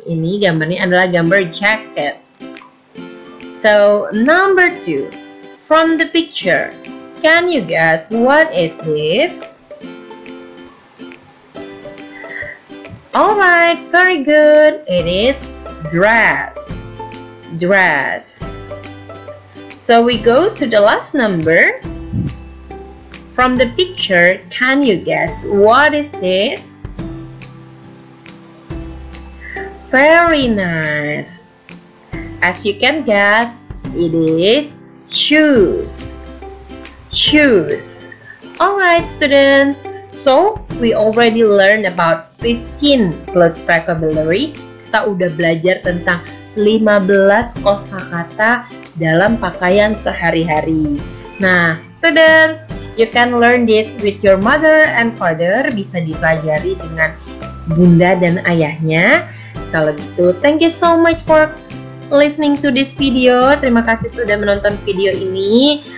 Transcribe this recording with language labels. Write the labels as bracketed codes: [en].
[id] Ini gambarnya adalah gambar jacket. [en] So number two, from the picture, can you guess what is this? Alright, very good. It is dress. Dress. So we go to the last number. From the picture, can you guess what is this? Very nice. As you can guess, it is shoes. Shoes. Alright, students. So we already learned about 15 clothes vocabulary. [id] Kita udah belajar tentang 15 kosakata dalam pakaian sehari-hari. [en] Nah, students, you can learn this with your mother and father. [id] Bisa dipelajari dengan bunda dan ayahnya. Kalau gitu, [en] thank you so much for listening to this video. [id] Terima kasih sudah menonton video ini.